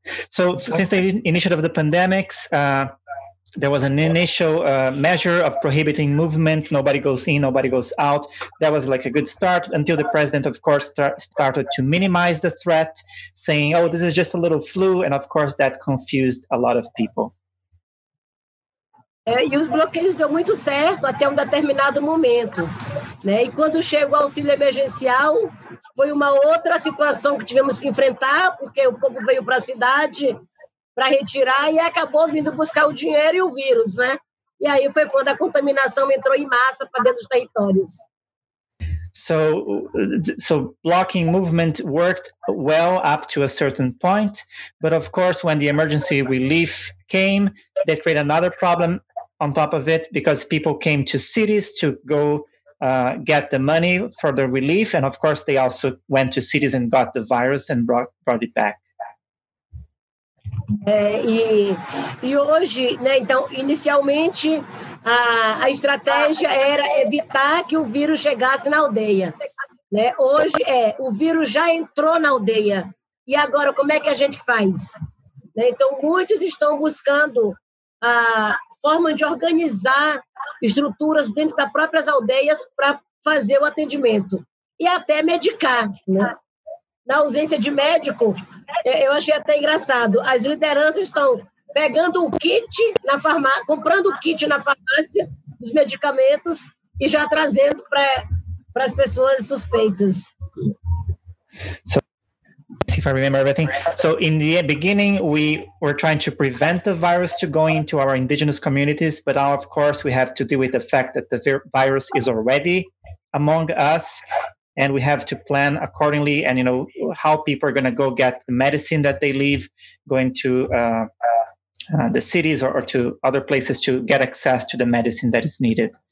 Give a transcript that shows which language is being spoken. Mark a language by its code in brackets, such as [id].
[en] So since the initiative of the pandemics, there was an initial measure of prohibiting movements. Nobody goes in, nobody goes out. That was like a good start until the president, of course, started to minimize the threat, saying, oh, this is just a little flu. And of course, that confused a lot of people. [pt] É, e os bloqueios deu muito certo até um determinado momento, né? E quando chegou o auxílio emergencial, foi uma outra situação que tivemos que enfrentar, porque o povo veio para a cidade para retirar e acabou vindo buscar o dinheiro e o vírus, né? E aí foi quando a contaminação entrou em massa para dentro dos territórios. [en] So blocking movement worked well up to a certain point, but of course, when the emergency relief came, that created another problem on top of it, because people came to cities to go get the money for the relief, and of course, they also went to cities and got the virus and brought it back. [pt] E hoje, né, então, inicialmente, a estratégia era evitar que o vírus chegasse na aldeia. Né? Hoje, o vírus já entrou na aldeia. E agora, como é que a gente faz? Né? Então, muitos estão buscando a forma de organizar estruturas dentro das próprias aldeias para fazer o atendimento. E até medicar. Né? Na ausência de médico... Eu achei até engraçado. As lideranças estão pegando o kit na farmácia, comprando o kit na farmácia, os medicamentos, e já trazendo para as pessoas suspeitas. [en] So, if I remember everything. So, in the beginning, we were trying to prevent the virus to go into our indigenous communities, but now, of course, we have to deal with the fact that the virus is already among us. And we have to plan accordingly, and you know how people are going to go get the medicine that they leave, going to the cities or to other places to get access to the medicine that is needed.